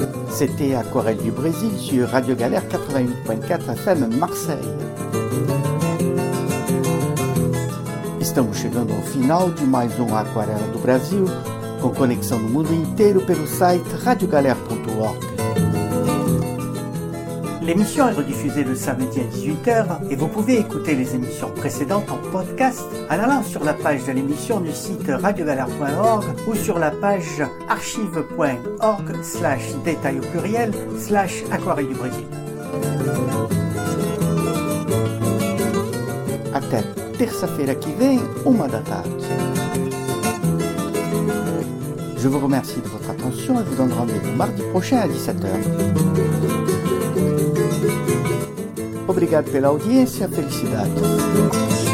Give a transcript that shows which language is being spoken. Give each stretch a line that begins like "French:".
French: C'était Aquarelle du Brésil sur Radio Galère 88.4 FM Marseille.
Portuguese: Estamos chegando ao final de mais um Aquarela do Brasil, com conexão no mundo inteiro pelo site radiogalère.org.
French: L'émission est rediffusée le samedi à 18h et vous pouvez écouter les émissions précédentes en podcast en allant sur la page de l'émission du site radiogalère.org ou sur la page archive.org/détail au pluriel/aquarelle du Brésil.
Portuguese: Até terça-feira que vem, 1 da tarde.
French: Je vous remercie de votre attention et vous donne rendez-vous mardi prochain à 17h.
Portuguese: Obrigado pela audiência, felicidade.